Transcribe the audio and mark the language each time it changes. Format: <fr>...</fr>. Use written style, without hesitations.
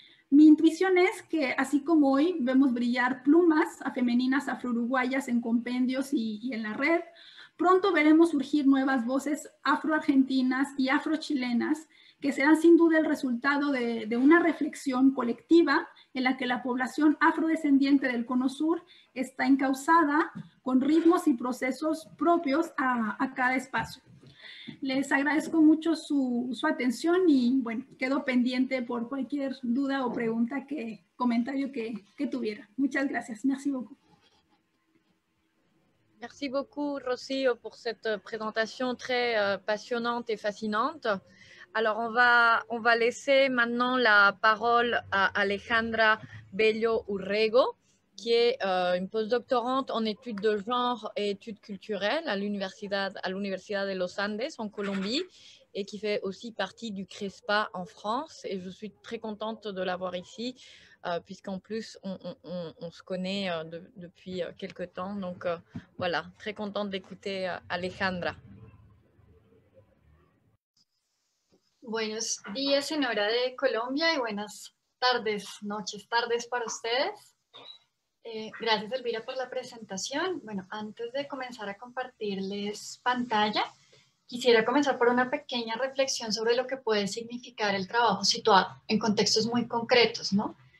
<es>Mi intuición es que, así como hoy vemos brillar plumas a femeninas afro-uruguayas en compendios y en la red, pronto veremos surgir nuevas voces afro-argentinas y afro-chilenas que serán sin duda el resultado de una reflexión colectiva en la que la población afrodescendiente del Cono Sur está encauzada con ritmos y procesos propios a cada espacio. Les agradezco mucho su atención y bueno, quedo pendiente por cualquier duda o pregunta que comentario que tuviera. Muchas gracias.</es> <fr>Merci beaucoup. Merci beaucoup, Rocío, por cette présentation très passionnante et fascinante. Alors, on va laisser maintenant la parole à Alejandra Bello Urrego, qui est une postdoctorante en études de genre et études culturelles à l'Universidad de los Andes en Colombie et qui fait aussi partie du CRESPA en France. Et je suis très contente de l'avoir ici, puisqu'en plus, on se connaît depuis quelques temps. Donc, voilà, très contente d'écouter Alejandra.</fr> <es>Buenos días en hora de Colombia y buenas tardes, noches, tardes para ustedes. Gracias Elvira por la presentación. Bueno, antes de comenzar a compartirles pantalla, quisiera comenzar por una pequeña reflexión sobre lo que puede significar el trabajo situado en contextos muy concretos, ¿no?</es>